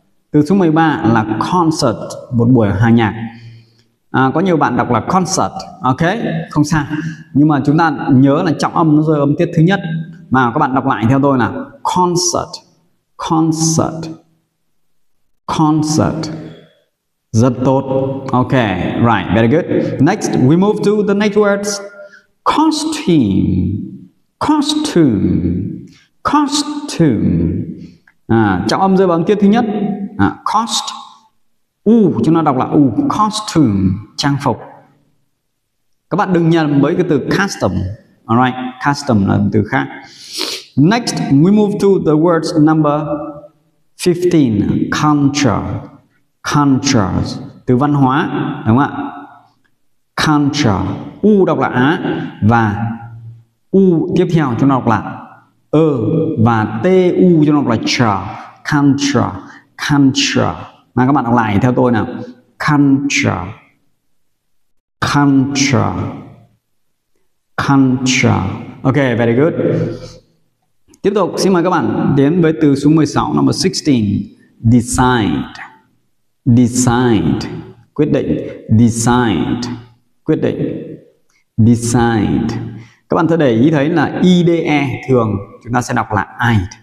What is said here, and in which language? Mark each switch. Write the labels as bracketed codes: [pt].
[vi] Từ số 13 là concert, một buổi hòa nhạc. À, có nhiều bạn đọc là concert, ok, không sao. Nhưng mà chúng ta nhớ là trọng âm nó rơi âm tiết thứ nhất. Mà các bạn đọc lại theo tôi là concert, concert, concert. Rất tốt, [en] ok, right, very good. Next, we move to the next words. Costume, costume, costume. [vi] À, trọng âm rơi vào âm tiết thứ nhất. À, cost u chúng ta đọc là u. Costume, trang phục. Các bạn đừng nhầm với cái từ custom. [en] Alright, [vi] custom là từ khác. [en] Next, we move to the words number 15. Culture. [vi] Culture, từ văn hóa, đúng không ạ? Culture, u đọc là á và u tiếp theo chúng ta đọc là ơ và t u chúng ta đọc là tra. Culture, culture. Mà các bạn đọc lại theo tôi nào. [en] Culture, culture, culture. Ok, very good. [vi] Tiếp tục, xin mời các bạn đến với từ số 16, [en] number 16. Decide. Decide, [vi] quyết định. [en] Decide, [vi] quyết định. [en] Decide. [vi] Các bạn sẽ để ý thấy là IDE thường chúng ta sẽ đọc là I.